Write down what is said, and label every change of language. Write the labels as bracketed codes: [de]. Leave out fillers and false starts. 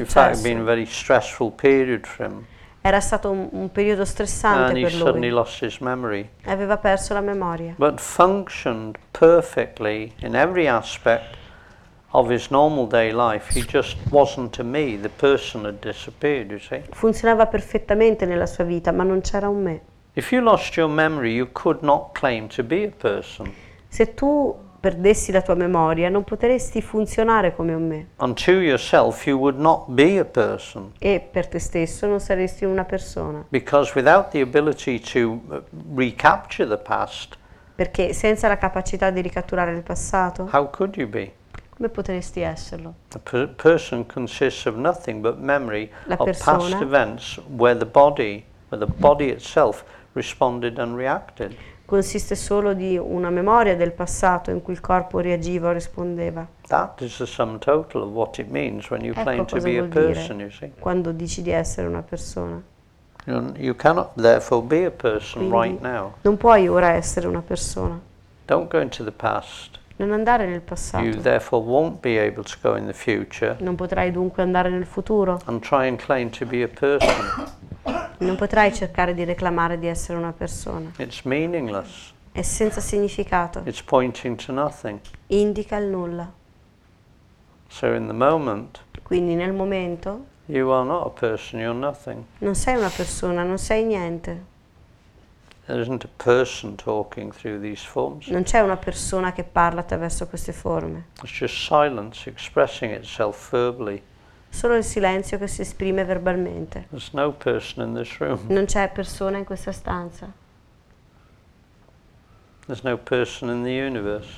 [en] In fact, it had been a very stressful period for him. [it] Era stato un periodo stressante per lui. [en] And he suddenly lost his memory. [it] Aveva perso la memoria. [en] But functioned perfectly in every aspect of his normal day life, he just wasn't a me, the person had disappeared, you see. [it] Funzionava perfettamente nella sua vita, ma non c'era un me. [en] If you lost your memory, you could not claim to be a person. [it] Se tu perdessi la tua memoria, non potresti funzionare come un me. [en] Unto yourself you would not be a person. [it] E per te stesso non saresti una persona. [en] Because without the ability to recapture the past. [it] Perché senza la capacità di ricatturare il passato. [en] How could you be? [it] Come potresti esserlo? [en] A person consists of nothing but memory of past events where the body itself responded and reacted. [it] Consiste solo di una memoria del passato in cui il corpo reagiva o rispondeva. [en] That is the sum total of what it means when you claim to be a person, you see. [it] Quando dici di essere una persona. [en] You cannot therefore be a person. [it] Quindi, [en] right now. [it] Non puoi ora essere una persona. [en] Don't go into the past. [it] Non andare nel passato. [en] You therefore won't be able to go in the future. [it] Non potrai dunque andare nel futuro. [en] And try and claim to be a person. [it] Non potrai cercare di reclamare di essere una persona. [en] It's meaningless. [it] È senza significato. [en] It's pointing to nothing. [it] Indica il nulla. [en] So in the moment. [it] Quindi nel momento. [en] You are not a person, you're nothing. [it] Non sei una persona, non sei niente. [en] There isn't a person talking through these forms. [it] Non c'è una persona che parla attraverso queste forme. [en] It's just silence expressing itself verbally. [it] Solo il silenzio che si esprime verbalmente. [en] There's no person in this room. [it] Non c'è persona in questa stanza. [en] There's no person in the universe.